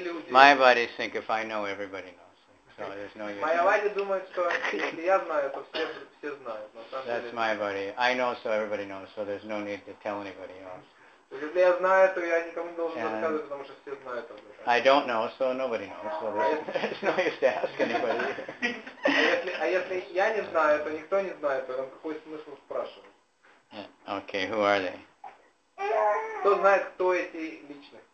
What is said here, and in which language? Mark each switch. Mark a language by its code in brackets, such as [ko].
[en] Mayavadi think if I know, everybody knows. [ru] Майавади думает, что если я знаю, то все знают. [en] That's my body. I know, so everybody knows. So there's no need to tell anybody else. [ru] Если я знаю, то я никому не должен рассказывать, потому что все знают. [en] I don't know, so nobody knows. So there's no need to ask anybody. [ru] А если я не знаю, то никто не знает, то там какой смысл спрашивать? [en] Okay, who are they? [ru] Кто знает, кто эти личные?